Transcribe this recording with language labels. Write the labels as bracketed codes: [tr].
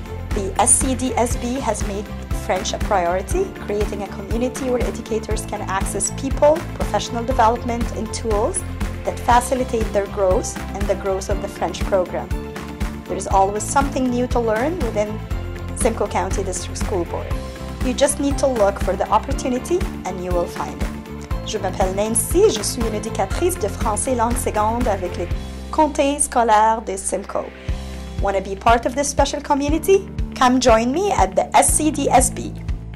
[en] The SCDSB has made French a priority, creating a community where educators can access people, professional development, and tools that facilitate their growth and the growth of the French program. There's always something new to learn within Simcoe County District School Board. You just need to look for the opportunity and you will find it. [fr] Je m'appelle Nancy, je suis une éducatrice de français langue seconde avec les comtés scolaires de Simcoe. [en] Want to be part of this special community? Come join me at the SCDSB.